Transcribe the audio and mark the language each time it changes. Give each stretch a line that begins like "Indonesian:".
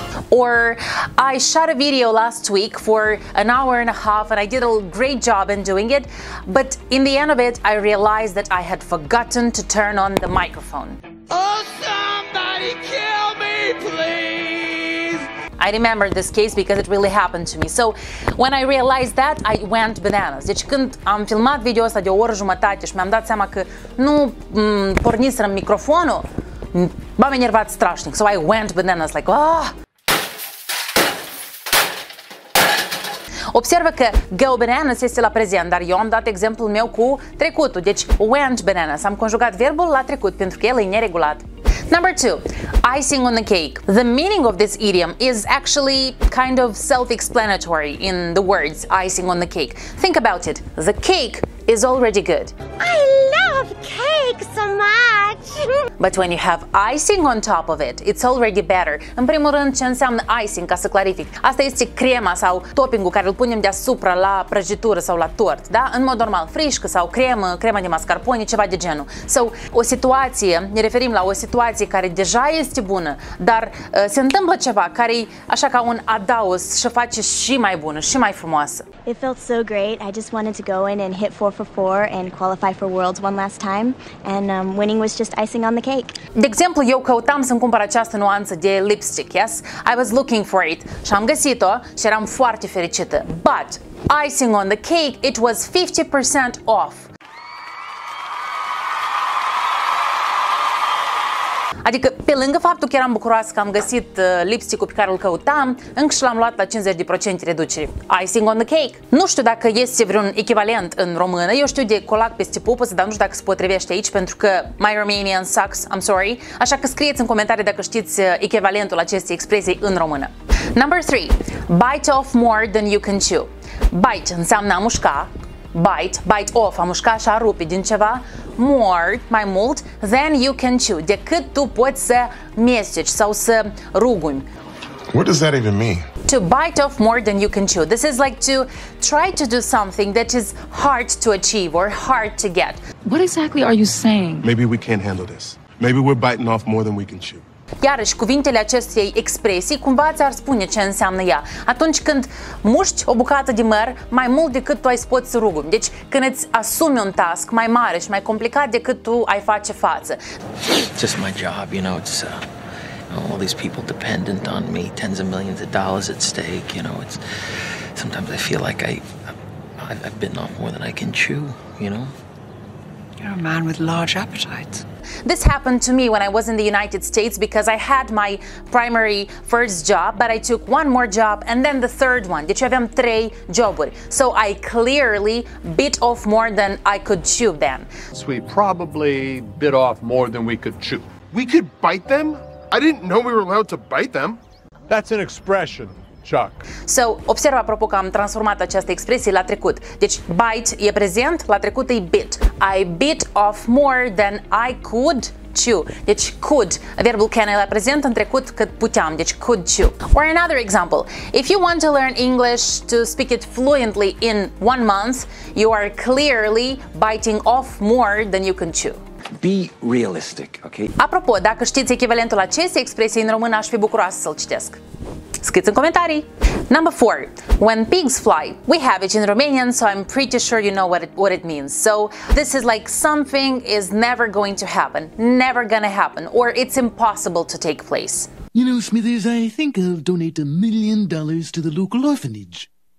English: Or, I shot a video last week for an hour and a half and I did a great job in doing it, but in the end of it, I realized that I had forgotten to turn on the microphone. Oh, somebody kill me, please! I remember this case because it really happened to me. So, when I realized that, I went bananas.
Romanian: Deci, când am filmat video ăsta de o oră jumătate și mi-am dat seama că nu porniseram microfonul, m-am enervat strașnic.
English: So, I went bananas, like, oh!
Romanian: Observă că
English: go bananas
Romanian: este la prezent, dar eu am dat exemplul meu cu trecutul, deci
English: went bananas.
Romanian: Am conjugat verbul la trecut pentru că el e neregulat.
English: Number 2. Icing on the cake. The meaning of this idiom is actually kind of self-explanatory in the words icing on the cake. Think about it. The cake is already good. I love cake so much! But when you have icing on top of it, it's already better.
Romanian: În primul rând, ce înseamnă icing, ca să clarific? Asta este crema sau toppingul care îl punem deasupra la prăjitură sau la tort, da? În mod normal, frișcă sau cremă, crema de mascarpone, ceva de genul. So, o situație, ne referim la o situație care deja este bună, dar se întâmplă ceva care e așa ca un adaos și face și mai bună, și mai frumoasă.
English: It felt so great, I just wanted to go in and hit 4 for 4 and qualify for Worlds one last time, and winning was just icing on the cake.
Romanian: De exemplu, eu căutam să-mi cumpăr această nuanță de lipstick, yes?
English: I was looking for it
Romanian: și am găsit-o și eram foarte fericită.
English: But icing on the cake, it was 50% off.
Romanian: Adică, pe lângă faptul că eram bucuroasă că am găsit lipstick-ul pe care îl căutam, încă și l-am luat la 50% reducere.
English: Icing on the cake.
Romanian: Nu știu dacă este vreun echivalent în română. Eu știu de colac peste pupăsă, dar nu știu dacă se potrivește aici, pentru că
English: my Romanian sucks, I'm sorry.
Romanian: Așa că scrieți în comentarii dacă știți echivalentul acestei expresii în română.
English: Number 3. Bite off more than you can chew. Bite
Romanian: înseamnă a mușca.
English: Bite off,
Romanian: a mușca și a rupe din ceva, more, mai mult,
English: than you can chew,
Romanian: decât tu poți să mesteci sau să rugumi.
English: What does that even mean? To bite off more than you can chew. This is like to try to do something that is hard to achieve or hard to get. What exactly are you saying? Maybe we can't handle this. Maybe we're biting off more than we can chew.
Romanian: Iarăși, cuvintele acestei expresii cumva ți-ar spune ce înseamnă ea. Atunci când muști o bucată de măr mai mult decât tu ai spus să rugi. Deci când îți asumi un task mai mare și mai complicat decât tu ai face față.
English: Just my job, you know, it's all these people dependent on me, tens of millions of dollars at stake, you know, it's sometimes I feel like I've bitten off more than I can chew, you know. You're a man with large appetites. This happened to me when I was in the United States because I had my primary first job, but I took one more job and then the third one.
Romanian: Deci aveam trei joburi.
English: So I clearly bit off more than I could chew then. So we probably bit off more than we could chew. We could bite them? I didn't know we were allowed to bite them. That's an expression. Chuck.
Romanian: So, observ apropo că am transformat această expresie la trecut. Deci, bite e prezent, la trecut e bit.
English: I bit off more than I could chew.
Romanian: Deci, could. Verbul can e la prezent în trecut cât puteam.
English: Deci, could chew. Or another example. If you want to learn English to speak it fluently in one month, you are clearly biting off more than you can chew. Be realistic, okay?
Romanian: Apropo, dacă știți echivalentul acestei expresii în română, aș fi bucuroasă să-l citesc. Scrieți în comentarii!
English: Number 4. When pigs fly. We have it in Romanian, so I'm pretty sure you know what it means. So, this is like something is never going to happen. Never gonna happen. Or it's impossible to take place. You know, Smithers, I think I'll donate $1 million to the local orphanage.